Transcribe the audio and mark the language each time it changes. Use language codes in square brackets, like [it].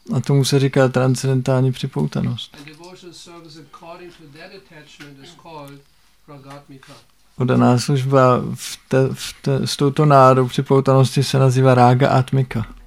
[cs] A tomu se říká transcendentální připoutanost. [en] A devotional service according to that attachment is called pragatmika. [cs] Odaná služba s touto náruč připoutanosti se nazývá rága atmika.